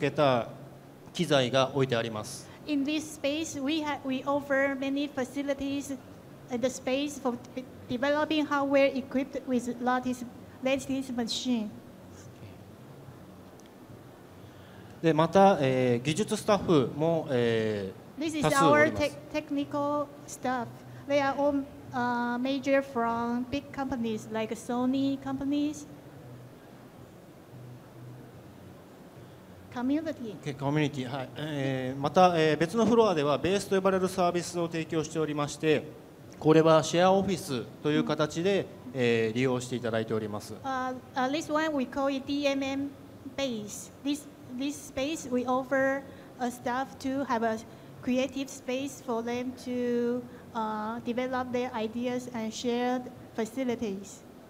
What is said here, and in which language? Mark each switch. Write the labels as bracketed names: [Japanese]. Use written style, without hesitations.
[Japanese] このスタジオは基本的に様々なプロトタイプに向けた機材が置いてあります。 [English] In this space, we offer many facilities and the space for developing hardware equipped with latest machine. [Japanese] でまた技術スタッフも多数おります。 [English] This is our technical staff. They are all major from big companies like Sony companies. [Japanese] コミュニティ、また別のフロアではベースと呼ばれるサービスを提供しておりまして、これはシェアオフィスという形で利用していただいております。 [English] This one we call it DMM base. This space we offer a staff to have a creative space for them to develop their ideas and share facilities.